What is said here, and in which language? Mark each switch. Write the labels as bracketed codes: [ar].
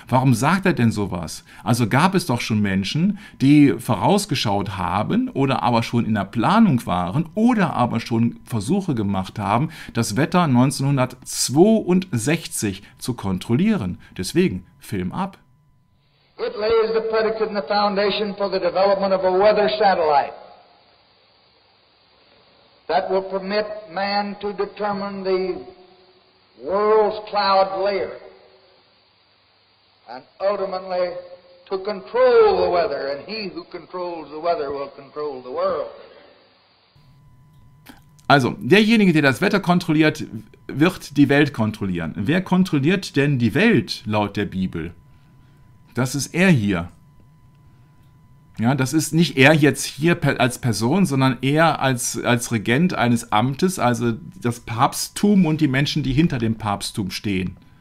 [de] Warum sagt er denn sowas? Also gab es doch schon Menschen, die vorausgeschaut haben oder aber schon in der Planung waren oder aber schon Versuche gemacht haben, das Wetter 1962 zu kontrollieren. Deswegen, Film ab. [en] It lays the predicate and the foundation for the development of a weather satellite that will permit man to determine the world's cloud layer and ultimately to control the weather, and he who controls the weather will control the world. [de] Also, derjenige, der das Wetter kontrolliert, wird die Welt kontrollieren. Wer kontrolliert denn die Welt, laut der Bibel? Das ist er hier. Ja, das ist nicht er jetzt hier als Person, sondern er als Regent eines Amtes, also das Papsttum und die Menschen, die hinter dem Papsttum stehen.